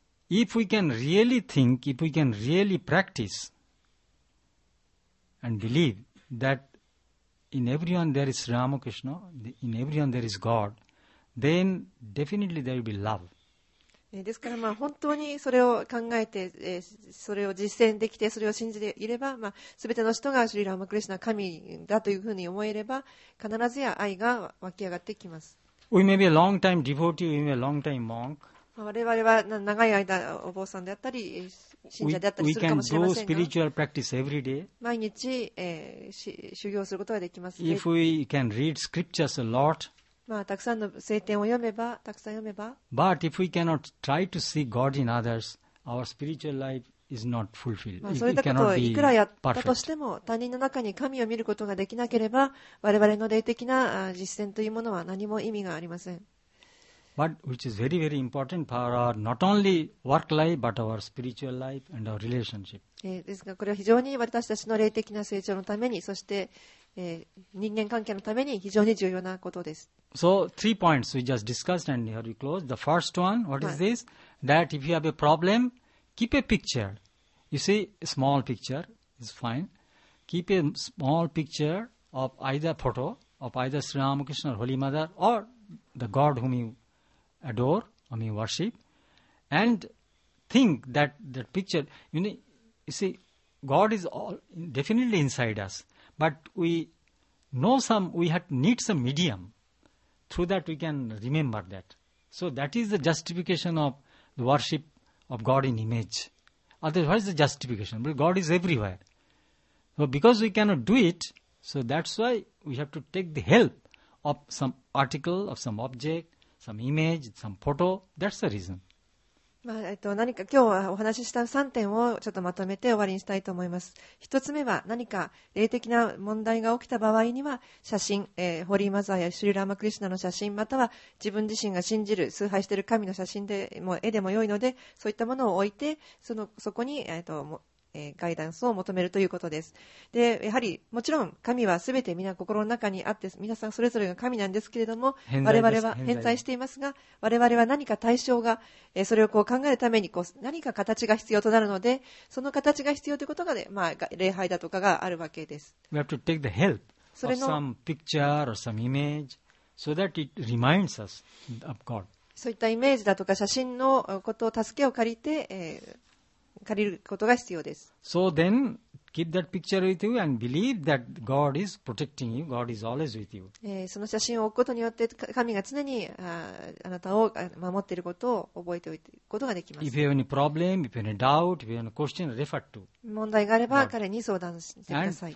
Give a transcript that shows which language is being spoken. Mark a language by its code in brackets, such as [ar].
[en] If we can really think, if we can really practice and believe that. In everyone there is Ramakrishna, in everyone there is God, then definitely there will be love. [ja] ですから、まあ、本当にそれを考えて、それを実践できて、それを信じていれば、まあ、全ての人がシュリ・ラマクリシュナ、神だというふうに思えれば、必ずや愛が湧き上がってきます。 [en] We may be a long time devotee, we may be a long time monk. [ja] 我々は長い間、お坊さんであったり、 [en] We can do spiritual practice every day. [ja] 毎日、修行することができます。 [en] If we can read scriptures a lot, [ja] まあ、たくさんの聖典を読めば、たくさん読めば。 [en] But if we cannot try to see God in others, our spiritual life is not fulfilled. [ja] まあ、そういったことをいくらやったとしても、他人の中に神を見ることができなければ、我々の霊的な実践というものは何も意味がありません。 [en] But which is very, very important for our not only work life, but our spiritual life and our relationship. [ja] ですが、これは非常に私たちの霊的な成長のために、そして、人間関係のために非常に重要なことです。 [en] So, three points we just discussed and here we close. The first one, what is this? That if you have a problem, keep a picture. You see, a small picture is fine. Keep a small picture of either photo of either Sri Ramakrishna or Holy Mother or the God whom you adore, I mean worship, and think that that picture, you know, you see, God is all definitely inside us, but we know some, we had need some medium through that we can remember that. So that is the justification of the worship of God in image. Otherwise, what is the justification? But God is everywhere. So because we cannot do it, so that's why we have to take the help of some article, of some object, some image, some photo. That's the reason. [ja] まあ何か今日はお話しした3点をちょっとまとめて終わりにしたいと思います。一つ目は何か霊的な問題が起きた場合には写真、ホーリーマザーやシュリラーマクリシュナの写真、または自分自身が信じる崇拝している神の写真でも絵でも良いので、そういったものを置いて そこに、ガイダンスを求めるということです。でやはりもちろん神はすべて皆心の中にあって、皆さんそれぞれが神なんですけれども、我々は偏在していますが、我々は何か対象が、それをこう考えるためにこう何か形が必要となるので、その形が必要ということが、ね、まあ、礼拝だとかがあるわけです。 [en] We have to take the help of some picture or some image so that it reminds us of God. [ja] そういったイメージだとか写真のことを助けを借りて、借りることが必要です。 [en] So then keep that picture with you and believe that God is protecting you. God is always with you. [ja] その写真を置くことによって神が常に あなたを守っていることを覚えておいていくことができます。 [en] If you have any problem, if you have any doubt, if you have any question, refer to God. [ja] 問題があれば彼に相談してください。